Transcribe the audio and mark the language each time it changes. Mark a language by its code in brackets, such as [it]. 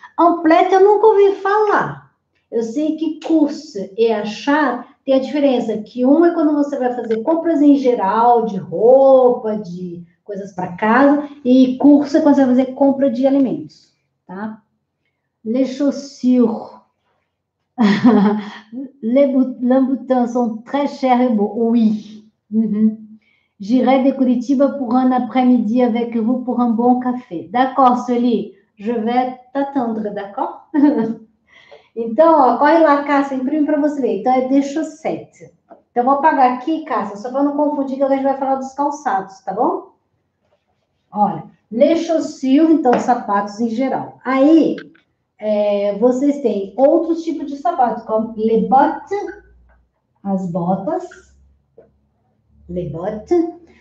[pt] Amplete eu nunca ouvi falar. Eu sei que course e achar tem a diferença, que um é quando você vai fazer compras em geral, de roupa, de coisas para casa, e course é quando você vai fazer compra de alimentos, tá? [fr] Les chaussures. Les boutons sont très chers et beaux. Oui. J'irai de Curitiba pour un après-midi avec vous pour un bon café. D'accord, Sueli. Je vais t'attendre, d'accord? [pt] Então, ó, corre lá, Cássia, imprime para você ver. Então, é de chaussette. Então, vou apagar aqui, Cássia, só para não confundir que a gente vai falar dos calçados, tá bom? Olha, les chaussures, então, sapatos em geral. Aí, vocês têm outros tipos de sapatos, como les bottes, as botas. Les bottes.